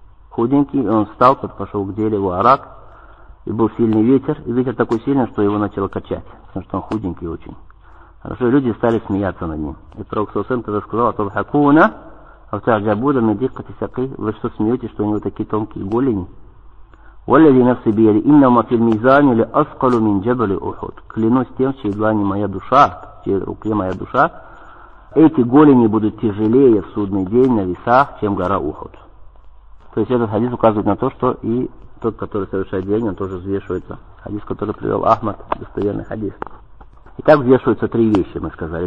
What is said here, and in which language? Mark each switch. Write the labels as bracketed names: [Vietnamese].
[Russian] Худенький, и он встал, пошел к дереву Арак, и был сильный ветер, и ветер такой сильный, что его начало качать, потому что он худенький очень. Хорошо, и люди стали смеяться над ним. И пророк Саусен тогда сказал, [Arabic] «Атул хакуна, автар джабуда, медикка тисяки», [Russian] вы что смеетесь, что у него такие тонкие голени? [Arabic] والذي نفسي بيده إنما في الميزان لأثقل من جبل أحد. [Russian] Клянусь тем, чьи длани моя душа, чьи руки моя душа, эти голени будут тяжелее в судный день на весах, чем гора Ухуд. То есть этот хадис указывает на то, что и тот, который совершает деяние, он тоже взвешивается. Хадис, который привел Ахмад, достоверный хадис. Итак, взвешиваются три вещи, мы сказали.